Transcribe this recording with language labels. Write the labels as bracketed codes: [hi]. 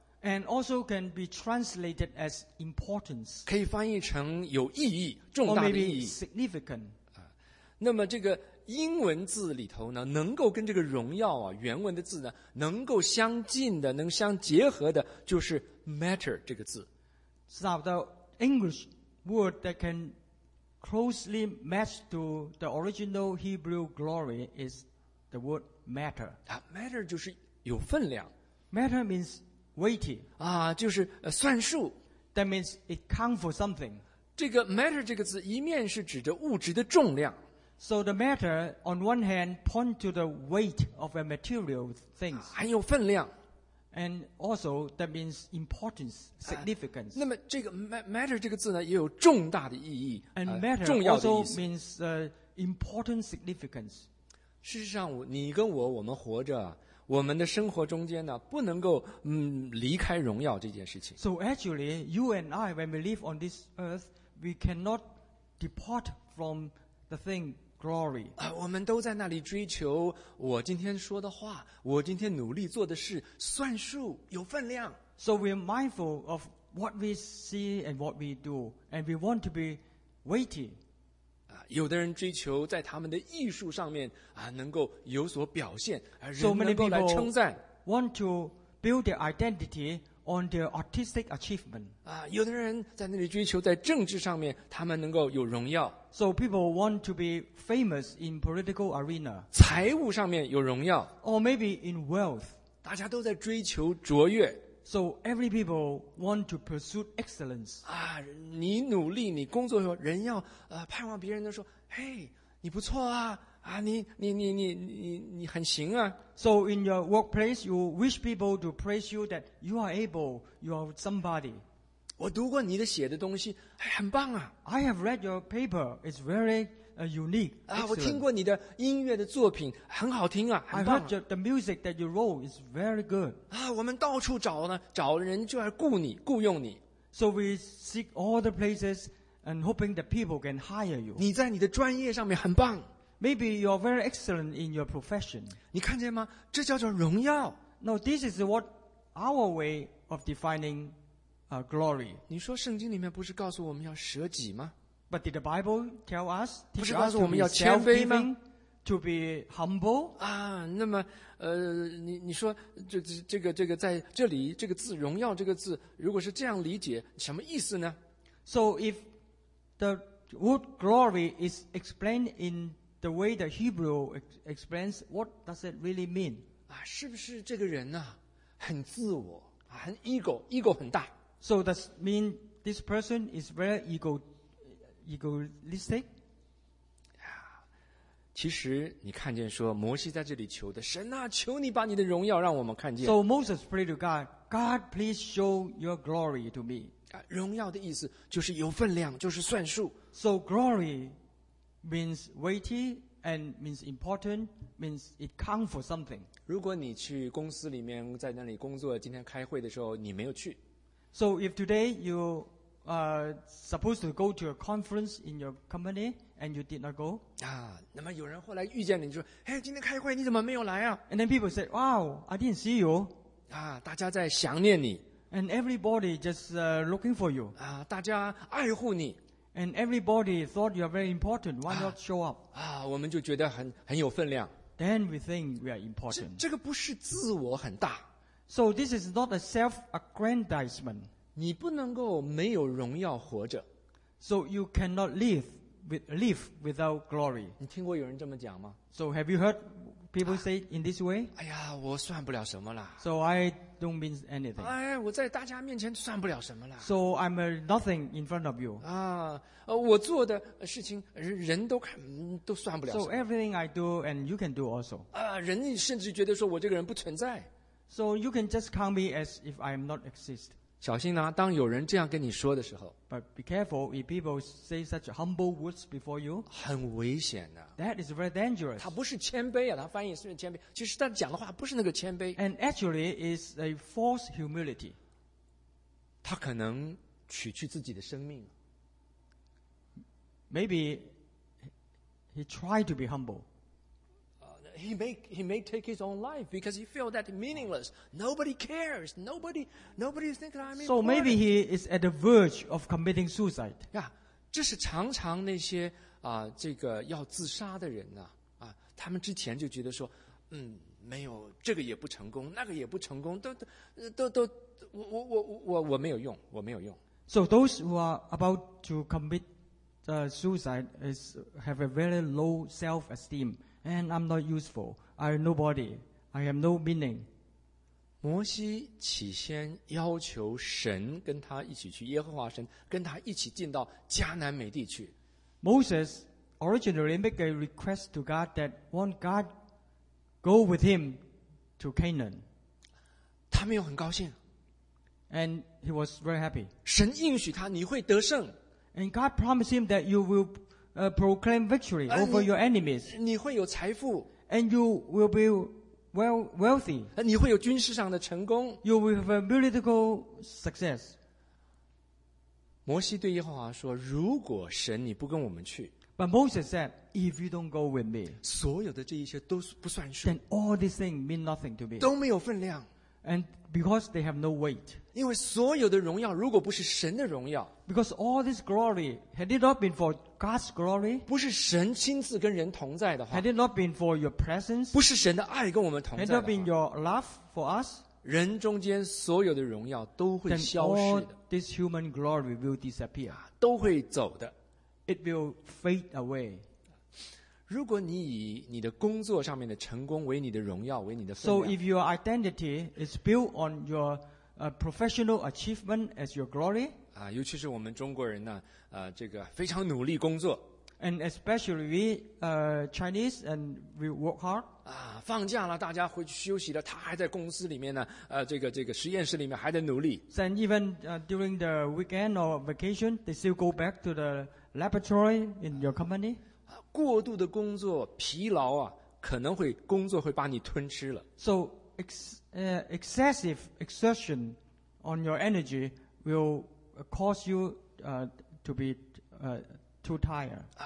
[en] And also can be translated as importance. [zh] 可以翻译成有意义，重大的意义。 [en] Or maybe significant. [zh] 啊，那么这个英文字里头呢，能够跟这个荣耀啊，原文的字呢，能够相近的，能相结合的，就是 matter 这个字。 [en] So the English word that can closely match to the original Hebrew glory is. The word matter. [zh] Matter 就是有分量。 [en] Matter means weighty. [zh] 啊，就是算数。 [en] That means it counts for something. [zh] 这个 matter 这个字一面是指着物质的重量。 [en] So the matter on one hand point to the weight of a material things. [zh] 很有分量。 [en] And also that means importance, significance. [zh] 那么这个 matter 这个字呢也有重大的意义。 [en] And matter [zh] 重要的意思 [en] also means important significance. [zh] 事实上你跟我我们活着我们的生活中间呢不能够离开荣耀这件事情。 [en] So actually, you and I, when we live on this earth, we cannot depart from the thing glory. [zh] 我们都在那里追求我今天说的话我今天努力做的事算数有分量。 [en] So we're mindful of what we see and what we do, and we want to be weighty. [zh] 有的人追求在他们的艺术上面能够有所表现人能够来称赞。 [en] So many people want to build their identity on their artistic achievement. [zh] 有的人在那里追求在政治上面他们能够有荣耀。 [en] So people want to be famous in political arena. [zh] 财务上面有荣耀。 [en] Or maybe in wealth. [zh] 大家都在追求卓越。 [en] So every people want to pursue excellence. [zh] 你努力你工作的时候人要盼望别人的说嘿、hey, 你不错啊你很行啊。 [en] So in your workplace, you wish people to praise you that you are able, you are somebody. [zh] 我读过你的写的东西、哎、很棒啊。 [en] I have read your paper, it's very unique.、Excellent. [zh] 我听过你的音乐的作品很好听啊。 [en] I heard the music that you wrote is very good. [zh] 我们到处找呢找人就要雇你雇用你。 [en] So we seek all the places and hoping that people can hire you. [zh] 你在你的专业上面很棒。 [en] Maybe you're very excellent in your profession. [zh] 你看见吗？这叫做荣耀。 [en] No, this is what our way of defining glory. [zh] 你说圣经里面不是告诉我们要舍己吗？ [en] But did the Bible tell us? [zh] 不是告诉我们要谦卑吗？ [en] To be humble? [zh] 那么你说这个在这里这个字荣耀这个字如果是这样理解什么意思呢？ [en] So if the word glory is explained inThe way the Hebrew explains, what does it really mean? [zh] 是不是这个人呢、啊、很自我、啊、很 ego, ego 很大。 [en] So does mean this person is very egoistic? [zh] 其实你看见说摩西在这里求的神啊求你把你的荣耀让我们看见。 [en] So Moses prayed to God, God please show your glory to me. [zh] 荣耀的意思就是有分量就是算数。 [en] So glory,means weighty and means important, means it counts for something. [zh] 如果你去公司里面在那里工作今天开会的时候你没有去。 [en] So if today you supposed to go to a conference in your company and you did not go. [zh] 那么有人后来遇见你就说嘿、hey, 今天开会你怎么没有来啊 [en] And then people said, wow, I didn't see you. [zh] 大家在想念你。 [en] And everybody just looking for you. [zh] 大家爱护你。 [en] And everybody thought you are very important. Why not show up? [zh] 我们就觉得很有分量。 [en] Then we think we are important. [zh] 这个不是自我很大。 [en] So this is not a self-aggrandizement. [zh] 你不能够没有荣耀活着。 [en] So you cannot live without glory. [zh] 你听过有人这么讲吗？ [en] So have you heard people say it in this way? [zh] 我算不了什么了。 [en] So I don't mean anything. [zh] 我在大家面前算不了什么了。 [en] So I'm a nothing in front of you. [zh] 我做的事情人都看都算不了什么。 [en] So everything I do and you can do also. [zh] 人甚至觉得说我这个人不存在。 [en] So you can just count me as if I am not exist. [zh] 小心啊，当有人这样跟你说的时候。 [en] But be careful if people say such humble words before you. [zh] 很危险的。 [en] That is very dangerous. [zh] 他不是谦卑啊，他翻译是谦卑，其实他讲的话不是那个谦卑。 [en] And actually, is a false humility. [zh] 他可能取去自己的生命。 [en] Maybe he tried to be humble. He may take his own life because he feels that meaningless. Nobody cares. Nobody thinks I'm important. So maybe he is at the verge of committing suicide. [zh] Yeah, 这是常常那些这个要自杀的人呢、他们之前就觉得说，没有这个也不成功，那个也不成功，都，我没有用，我没有用。 [en] So those who are about to commit suicide is have a very low self-esteem. And I'm not useful. I'm nobody. I have no meaning. [zh] 摩西起先要求神跟他一起去，耶和华神跟他一起进到迦南美地去。 [en] Moses originally made a request to God that want God go with him to Canaan. [zh] 他没有很高兴。 [en] And he was very happy. [zh] 神应许他，你会得胜。 [en] And God promised him that you will proclaim victory over your enemies. [zh] 你会有财富。 [en] And you will be wealthy. [zh] 你会有军事上的成功。 [en] You will have a political success. [zh] 摩西对耶和华说，如果神你不跟我们去。 [en] But Moses said, if you don't go with me, [zh] 所有的这一切都不算数。 [en] Then all these things mean nothing to me. [zh] 都没有分量。 [en] And because they have no weight. [zh] 因为所有的荣耀如果不是神的荣耀。 [en] Because all this glory, had it not been for God's glory, [zh] 不是神亲自跟人同在的话。 [en] Had it not been for your presence, [zh] 不是神的爱跟我们同在的话。 [en] Had it not been your love for us, [zh] 人中间所有的荣耀都会消失的。 [en] Then all this human glory will disappear. [zh] 都会走的。 [en] It will fade away. [zh] 如果你以你的工作上面的成功为你的荣耀，为你的分 [en] 量。So if your identity is built on your professional achievement as your glory. [zh] 啊，尤其是我们中国人呢，这个非常努力工作。 [en] And especially we Chinese and we work hard. [zh] 啊，放假了，大家回去休息了，他还在公司里面呢，这个实验室里面还在努力。 [en] And even during the weekend or vacation, they still go back to the laboratory in your company. [zh] 过度的工作疲劳啊，可能会工作会把你吞吃了。 [en] So excessive exertion on your energy will cause you to be too tired.